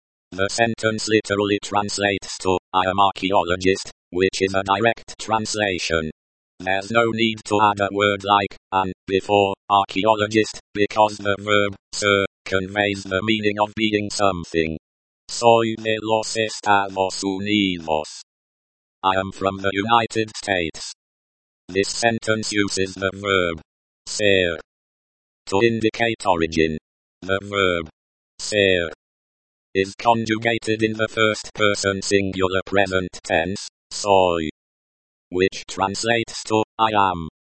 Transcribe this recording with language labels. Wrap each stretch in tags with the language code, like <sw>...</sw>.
<en>The sentence literally translates to, I am archaeologist, which is a direct translation. There's no need to add a word like, an, before, archaeologist, because the verb, ser, conveys the meaning of being something.</en> <es>Soy de los Estados Unidos.</es> <en>I am from the United States. This sentence uses the verb, ser, to indicate origin. The verb, ser, is conjugated in the first person singular present tense, soy, which translates to, I am.</en>